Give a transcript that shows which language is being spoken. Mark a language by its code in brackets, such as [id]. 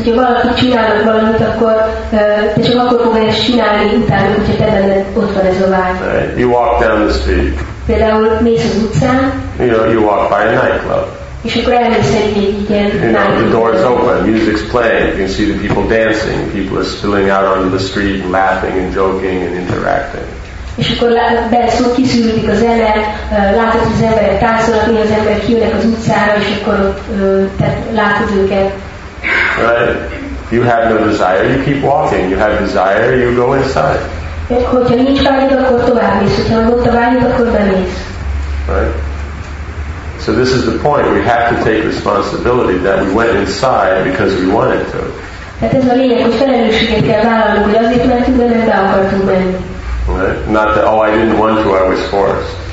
[en] You walk down the street. You know, you walk by a nightclub. You know, the door is open, music's playing, you can see the people dancing, people are spilling out onto the street and laughing and joking and interacting. [hu] És akkor belszól, kiszűrődik a zene, látod, hogy az emberek táncolnak, hogy az emberek kijönnek az utcára, és akkor látod őket. [en] Right. You have no desire, you keep walking. You have desire, you go inside. [hu] Hogyha nincs vágyod, akkor tovább mész. Hogyha ott a vágyod, akkor bemész. [en] Right. So this is the point. We have to take responsibility that we went inside because we wanted to. [hu] Tehát ez a lényeg, hogy felelősséget kell vállalnunk, hogy azért mentünk, mert nem be akartunk menni. [en] Right? Not that, oh, I didn't want to, I was forced.